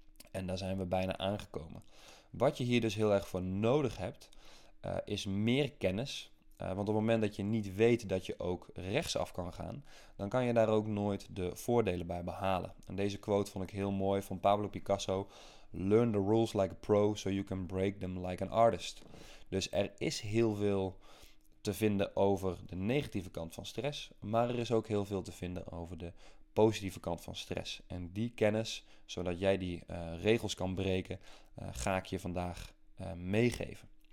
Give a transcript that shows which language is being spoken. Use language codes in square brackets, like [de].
[nl] En daar zijn we bijna aangekomen. Wat je hier dus heel erg voor nodig hebt, is meer kennis. Want op het moment dat je niet weet dat je ook rechtsaf kan gaan, dan kan je daar ook nooit de voordelen bij behalen. En deze quote vond ik heel mooi van Pablo Picasso. [en] Learn the rules like a pro, so you can break them like an artist. [nl] Dus er is heel veel te vinden over de negatieve kant van stress, maar er is ook heel veel te vinden over de positieve kant van stress. En die kennis, zodat jij die regels kan breken, ga ik je vandaag meegeven.